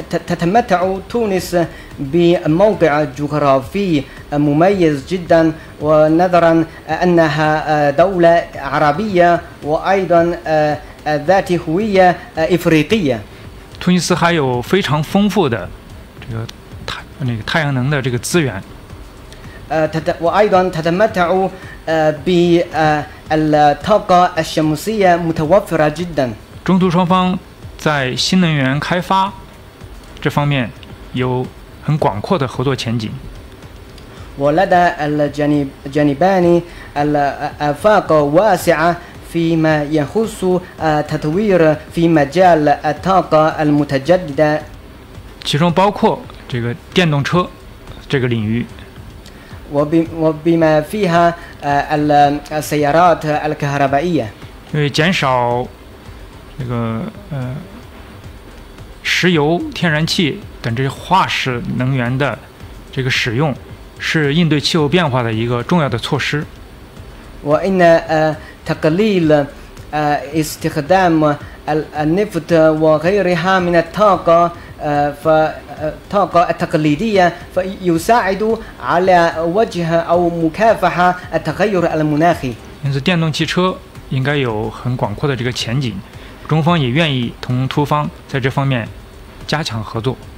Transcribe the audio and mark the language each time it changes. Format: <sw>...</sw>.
<ar>تتمتع تونس بموقع جغرافي مميز جدا، ونظرا أنها دولة عربية وأيضا ذات هوية إفريقية.</ar> <zh>突尼斯还有非常丰富的这个太阳能的这个资源。</zh> <ar>وأيضا تتمتع بالطاقة الشمسية متوفرة جدا.</ar> <zh>中途双方在新能源开发 这方面有很广阔的合作前景。</zh> <ar>ولدى الجانبان الآفاق واسعة فيما يخص تطوير في مجال الطاقة المتجددة،</ar> <zh>其中包括这个电动车这个领域。</zh> <ar>وبما فيها السيارات الكهربائية.</ar> <zh>因为减少这个石油、天然气等这些化石能源的这个使用，是应对气候变化的一个重要的措施。</zh> <ar>وإن تقليل استخدام النفط وغيرها من الطاقة فطاقة التقليدية فيساعد على وجه أو مكافحة التغير المناخي.</ar> <zh>因此，电动汽车应该有很广阔的这个前景。中方也愿意同突方在这方面加强合作。</zh>